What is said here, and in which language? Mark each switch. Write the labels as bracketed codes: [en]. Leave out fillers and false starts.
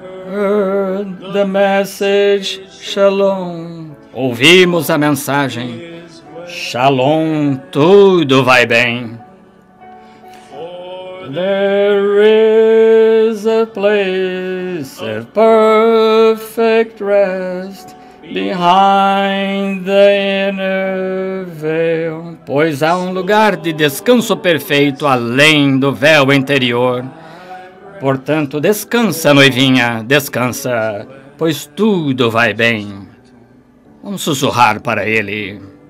[en] Heard the message, shalom. [pt] Ouvimos a mensagem, shalom, tudo vai bem. [en] There is a place of perfect rest behind the inner veil. [pt] Pois há lugar de descanso perfeito além do véu interior. Portanto, descansa, noivinha, descansa, pois tudo vai bem. Vamos sussurrar para ele.